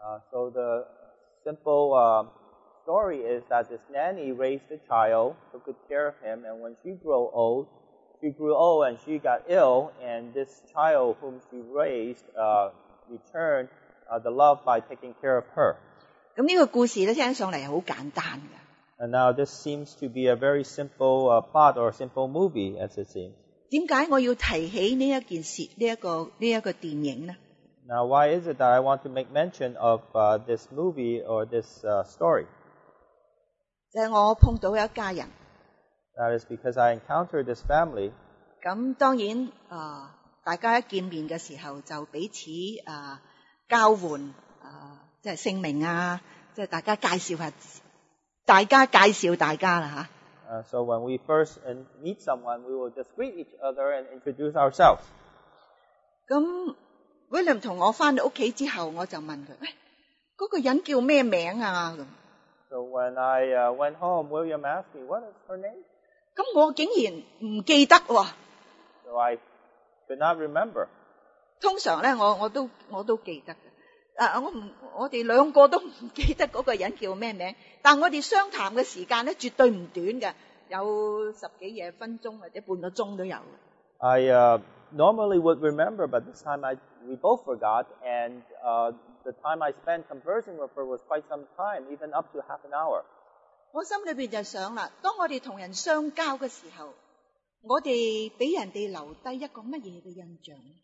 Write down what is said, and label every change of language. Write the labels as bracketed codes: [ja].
[en] So the simple The story is that this nanny raised a child, took good care of him, and when she grew old and she got ill, and this child whom she raised returned the love by taking care of her. [yue] 咁呢个故事咧听上嚟好简单嘅。 [en] And now this seems to be a very simple plot or a simple movie, as it seems. [yue] 点解我要提起呢一件事呢一个电影呢？ [en] Now why is it that I want to make mention of this movie or this story? [yue] 就是我碰到一家人。 [en] That is because I encountered this family. [yue] 咁当然大家一见面嘅时候就彼此交换即係姓名即係大家介绍下大家介绍大家啦。 [en] So when we first meet someone, we will just greet each other and introduce ourselves. [yue] 咁 William 同我返到屋企之后我就问佢喂嗰个人叫咩名 [en] So when I went home, William asked me, what is her name? [yue] 咁我竟然唔记得喎。 [en] So I could not remember. [yue] 通常呢我都记得。我哋两个都唔记得嗰个人叫咩名。但我哋相谈嘅时间呢绝对唔短㗎。有十几二十分钟或者半个钟都有。 [en] I normally would remember, but this time we both forgot, and the time I spent conversing with her was quite some time, even up to half an hour. [yue] 我心里面就想啦，当我哋同人相交嘅时候，我哋俾人哋留低一个乜嘢嘅印象？